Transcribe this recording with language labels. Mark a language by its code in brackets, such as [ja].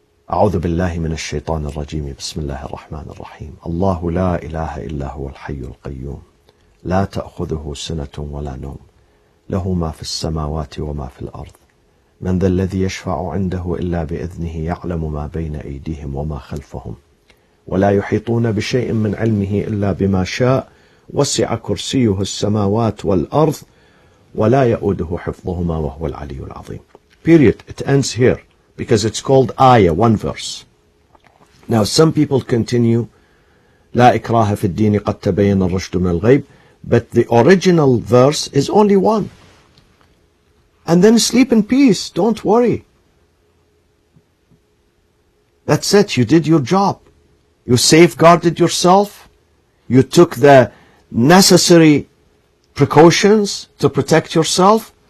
[ar] أعوذ بالله من الشيطان الرجيم بسم الله الرحمن الرحيم الله لا إله إلا هو الحي القيوم لا تأخذه سنة ولا نوم له ما في السماوات وما في الأرض من ذا الذي يشفع عنده إلا بإذنه يعلم ما بين أيديهم وما خلفهم ولا يحيطون بشيء من علمه إلا بما شاء وسع كرسيه السماوات والأرض ولا يؤده حفظهما وهو العلي العظيم. [en] Period. It ends here. Because it's called ayah, one verse. Now some people continue, [ar] لا إكراه في الدين قد تبين الرشد من الغيب. [en] But the original verse is only one. And then sleep in peace, don't worry. That's it, you did your job. You safeguarded yourself. You took the necessary precautions to protect yourself.